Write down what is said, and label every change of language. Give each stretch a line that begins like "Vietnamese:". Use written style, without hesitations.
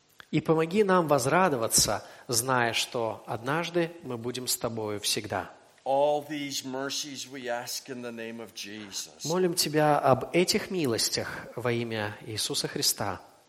Russian: И помоги нам возрадоваться, зная, что однажды мы будем с тобою всегда.
English: All these mercies we ask in the name of Jesus.
Russian: Молим тебя об этих милостях во имя Иисуса Христа.